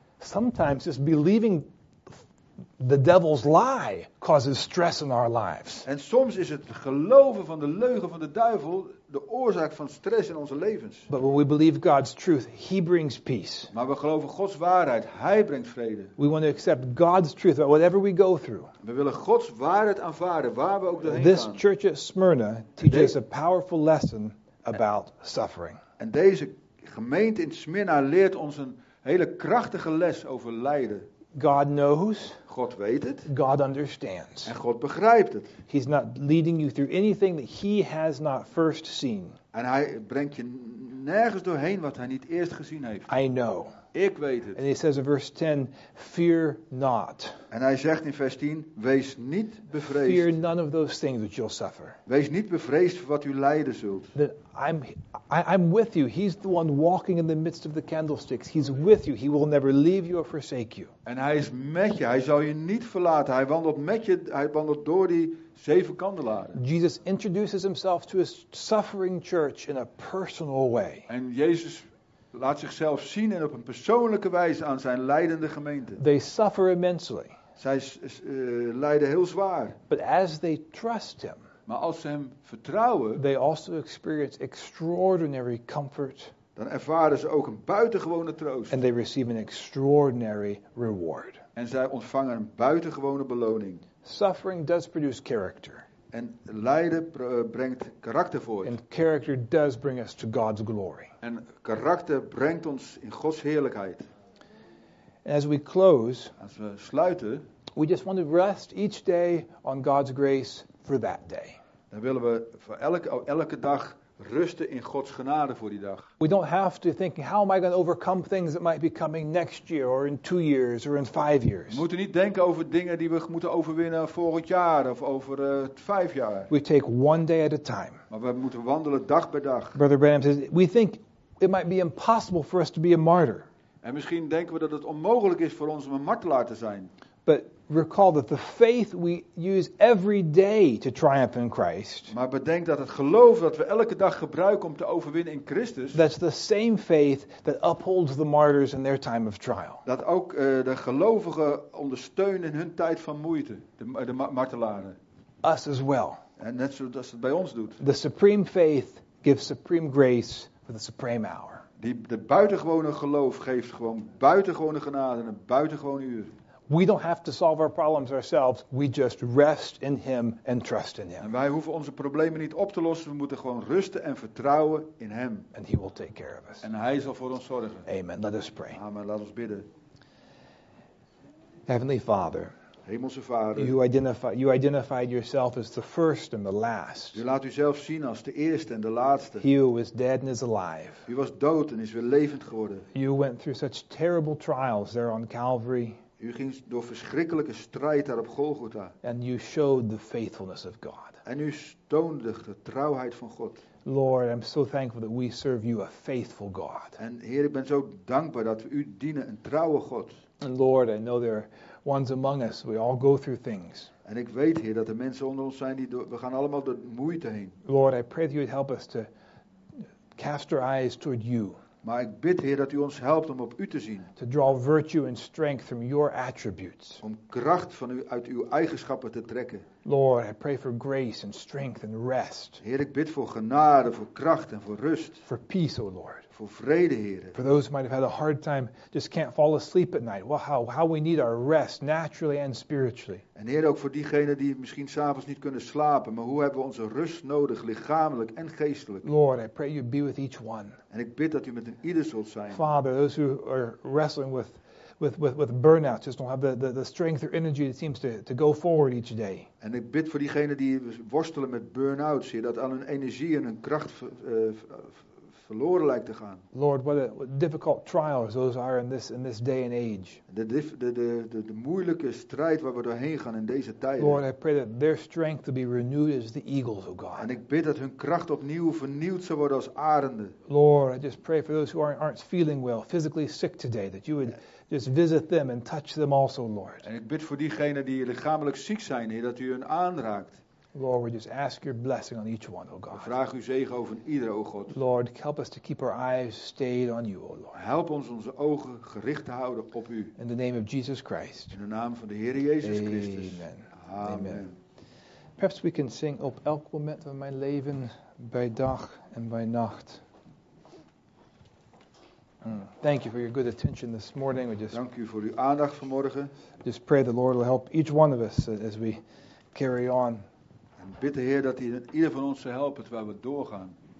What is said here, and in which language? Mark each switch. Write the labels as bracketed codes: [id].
[en] Sometimes just believing the devil's lie causes stress in our lives. [nl] En soms is het geloven van de leugen van de duivel de oorzaak van stress in onze levens. [en] But when we believe God's truth, he brings peace. [nl] Maar we geloven Gods waarheid, hij brengt vrede. [en] We want to accept God's truth about whatever we go through. [nl] We willen Gods waarheid aanvaarden waar we ook doorheen [en] This [nl] gaan. [en] This church at Smyrna teaches a powerful lesson about suffering. [nl] En deze gemeente in Smyrna leert ons een hele krachtige les over lijden. [en] God knows. [nl] God weet het. [en] God understands. [nl] En God begrijpt het. [en] He's not leading you through anything that he has not first seen. [nl] En hij brengt je nergens doorheen wat hij niet eerst gezien heeft. [en] I know. [nl] Ik weet het. [en] And he says in verse 10, fear not. [nl] En hij zegt in vers 10, wees niet bevreesd. [en] Fear none of those things that you'll suffer. [nl] Wees niet bevreesd voor wat u lijden zult. [en] That I'm with you. He's the one walking in the midst of the candlesticks. He's with you. He will never leave you or forsake you. [nl] En hij is met je. Hij zal je niet verlaten. Hij wandelt met je. Hij wandelt door die zeven kandelaren. [en] Jesus introduces himself to a suffering church in a personal way. [nl] En Jezus laat zichzelf zien en op een persoonlijke wijze aan zijn lijdende gemeente. [en] They suffer immensely. [nl] Zij lijden heel zwaar. [en] But as they trust him, [nl] maar als ze hem vertrouwen, [en] they also experience extraordinary comfort. [nl] Dan ervaren ze ook een buitengewone troost. [en] And they receive an extraordinary reward. [nl] En zij ontvangen een buitengewone beloning. [en] Suffering does produce character. [nl] En lijden brengt karakter voort. [en] And character does bring us to God's glory. [nl] En karakter brengt ons in Gods heerlijkheid. [en] As we close, [nl] als we sluiten, [en] we just want to rest each day on God's grace for that day. [nl] Dan willen we voor elke dag rusten in Gods genade voor die dag. [en] We don't have to think, how am I going to overcome things that might be coming next year or in 2 years or in 5 years. [nl] We moeten niet denken over dingen die we moeten overwinnen volgend jaar of over 5 jaar. [en] We take one day at a time. [nl] Maar we moeten wandelen dag per dag. [en] Brother Branham says, we think it might be impossible for us to be a martyr. [nl] En misschien denken we dat het onmogelijk is voor ons om een martelaar te zijn. [en] But recall that the faith we use every day to triumph in Christ. [nl] Maar bedenk dat het geloof dat we elke dag gebruiken om te overwinnen in Christus. [en] That's the same faith that upholds the martyrs in their time of trial. [nl] Dat ook de gelovigen ondersteunen in hun tijd van moeite, de martelaren. [en] Us as well. [nl] En net zoals het bij ons doet. [en] The supreme faith gives supreme grace for the supreme hour. [nl] De buitengewone geloof geeft gewoon buitengewone genade en een buitengewoon uur. [en] We don't have to solve our problems ourselves. We just rest in him and trust in him. [nl] En wij hoeven onze problemen niet op te lossen. We moeten gewoon rusten en vertrouwen in hem. [en] And he will take care of us. [nl] En hij zal voor ons zorgen. [en] Amen. Let us pray. [nl] Amen. Laat ons bidden. [en] Heavenly Father. [nl] Hemelse Vader. [en] You identified yourself as the first and the last. [nl] U laat uzelf zien als de eerste en de laatste. [en] He who is dead and is alive. [nl] U was dood en is weer levend geworden. [en] You went through such terrible trials there on Calvary. [nl] U ging door verschrikkelijke strijd daar op Golgotha. [en] And you showed the faithfulness of God. [nl] En u toonde de trouwheid van God. [en] Lord, I'm so thankful that we serve you a faithful God. [nl] En Heer, ik ben zo dankbaar dat we u dienen, een trouwe God. [en] And Lord, I know there are ones among us, we all go through things. [nl] En ik weet, Heer, dat er mensen onder ons zijn, we gaan allemaal door moeite heen. [en] Lord, I pray that you would help us to cast our eyes toward you. [nl] Maar ik bid, Heer, dat u ons helpt om op u te zien. [en] To draw virtue and strength from your attributes. [nl] Om kracht van u uit uw eigenschappen te trekken. [en] Lord, I pray for grace and strength and rest. [nl] Heer, ik bid voor genade, voor kracht en voor rust. [en] For peace, O Lord. [nl] Voor vrede, Heer. [en] For those who might have had a hard time, just can't fall asleep at night. Well, how we need our rest, naturally and spiritually. [nl] En Heer, ook voor diegenen die misschien 's avonds niet kunnen slapen, maar hoe hebben we onze rust nodig, lichamelijk en geestelijk? [en] Lord, I pray you be with each one. [nl] En ik bid dat u met een ieder zult zijn. [en] Father, those who are wrestling with burnout, just don't have the strength or energy that seems to go forward each day. [nl] En ik bid voor diegenen die worstelen met burn-out, zie je, dat aan hun energie en hun kracht verloren lijkt te gaan. [en] Lord, what difficult trials those are in this day and age. [nl] De moeilijke strijd waar we doorheen gaan in deze tijden. [en] Lord, I pray that their strength will be renewed as the eagles, O God. [nl] En ik bid dat hun kracht opnieuw vernieuwd zou worden als arenden. [en] Lord, I just pray for those who aren't feeling well, physically sick today, that you would just visit them and touch them also, Lord. [nl] En ik bid voor diegenen die lichamelijk ziek zijn, Heer, dat u hun aanraakt. [en] Lord, we just ask your blessing on each one, O God. [nl] We vragen uw zegen over ieder, O God. [en] Lord, help us to keep our eyes stayed on you, O Lord. [nl] Help ons onze ogen gericht te houden op u. [en] In the name of Jesus Christ. [nl] In de naam van de Heer Jezus [en] Amen. [nl] Christus. Amen. Amen. [en] Perhaps we can sing [nl] op elk moment van mijn leven, bij dag en bij nacht. [en] Thank you for your good attention this morning. [nl] Dank u voor uw aandacht vanmorgen. [en] Just pray the Lord will help each one of us as we carry on. [nl] En bid de Heer dat hij ieder van ons zal helpen terwijl we doorgaan.